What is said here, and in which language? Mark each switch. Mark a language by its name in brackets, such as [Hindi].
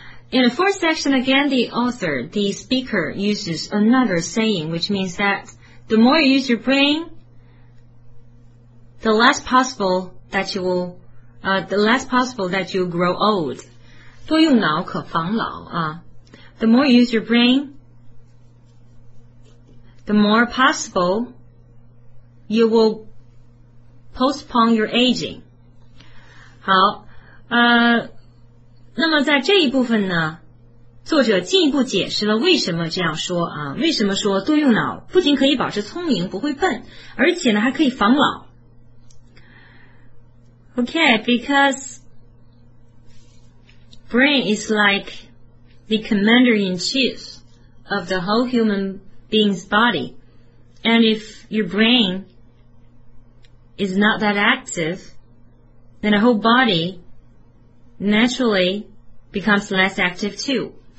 [English] In the fourth section, again, the author, the speaker, uses another saying, which means that the more you use your brain, the less possible that you will, the less possible that you grow old. [Chinese] 多用脑可防老啊。 [English] The more you use your brain, the more possible you will postpone your aging. [Chinese] 好，那么在这一部分呢，作者进一步解释了为什么这样说啊，为什么说多用脑不仅可以保持聪明不会笨，而且呢还可以防老。 [English] Okay, because brain is like the commander-in-chief of the whole human being's body. And if your brain is not that active, then the whole body naturally becomes less active too.